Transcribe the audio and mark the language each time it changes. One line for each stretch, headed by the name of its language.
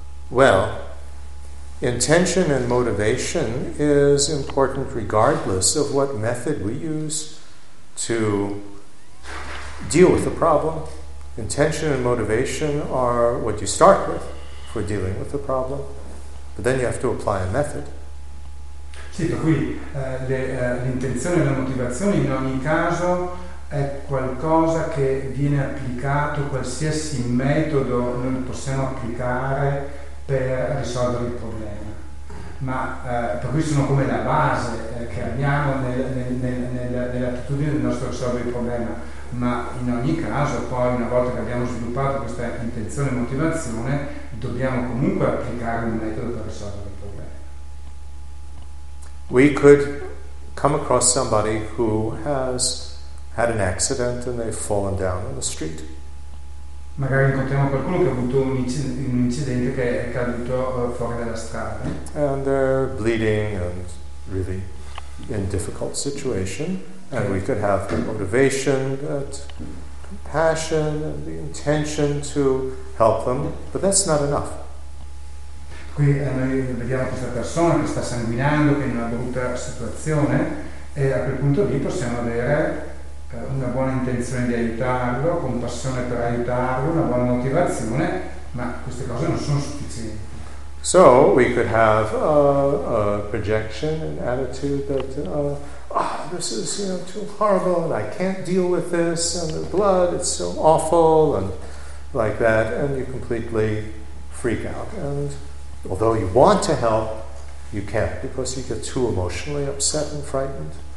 English: Well, intention and motivation is important regardless of what method we use to deal with the problem. Intention and motivation are what you start with for dealing with the problem, but then you have to apply a method.
Italian: Sì, per cui l'intenzione e la motivazione in ogni caso è qualcosa che viene applicato, qualsiasi metodo noi possiamo applicare per risolvere il problema. Ma per cui sono come la base che abbiamo nell'attitudine del nostro risolvere il problema, ma in ogni caso poi, una volta che abbiamo sviluppato questa intenzione e motivazione, dobbiamo comunque applicare un metodo per risolvere il problema.
English: We could come across somebody who has had an accident and they've fallen down on the street.
Italian: Magari incontriamo qualcuno che ha avuto un incidente, che è caduto fuori dalla strada.
English: And they're bleeding and really in difficult situation. And we could have the motivation, that compassion, and the intention to help them, but that's not enough.
Italian: Qui noi vediamo questa persona che sta sanguinando, che è in una brutta situazione, e a quel punto lì possiamo avere una buona intenzione di aiutarlo, compassione per aiutarlo, una buona motivazione, ma queste cose non sono sufficienti.
English: So we could have a projection, an attitude that this is, you know, too horrible, and I can't deal with this, and the blood, it's so awful, and like that, and you completely freak out. And although you want to help, you can't, because you get too emotionally upset and frightened.